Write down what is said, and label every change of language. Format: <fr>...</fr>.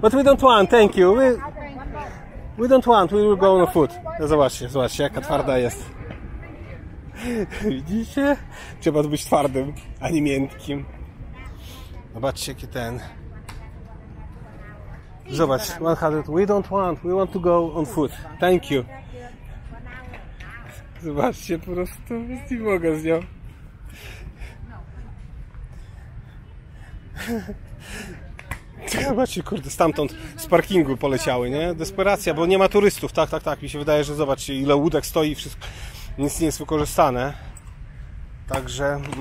<en>but we don't want, thank you. We don't want, we will go on foot.</en> <pl>No, zobaczcie, jaka twarda jest. Widzicie? Trzeba być twardym, a nie miękkim. Zobaczcie, jaki ten. Zobacz,</pl> <en>100, we don't want, we want to go on foot. Thank you.</en> <pl>Zobaczcie, po prostu nie mogę z nią. Zobaczcie, kurde, stamtąd z parkingu poleciały, nie? Desperacja, bo nie ma turystów. Tak. Mi się wydaje, że zobaczcie, ile łódek stoi, wszystko, nic nie jest wykorzystane. Także...</pl>